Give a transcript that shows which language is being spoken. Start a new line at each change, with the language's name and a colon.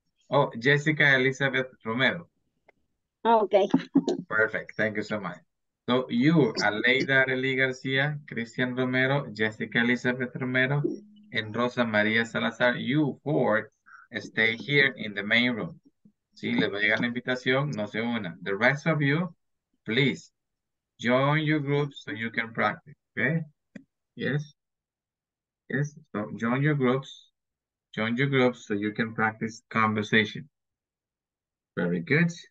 English: Oh, Jessica Elizabeth Romero. Okay. Perfect. Thank you so much. So you, Aleida Arely Garcia, Christian Romero, Jessica Elizabeth Romero, and Rosa Maria Salazar, you four stay here in the main room.
Spanish: Sí, le va a llegar la invitación, no se una.
English: The rest of you, please, join your groups so you can practice, okay? Yes? Yes, so join your groups. Join your groups so you can practice conversation. Very good.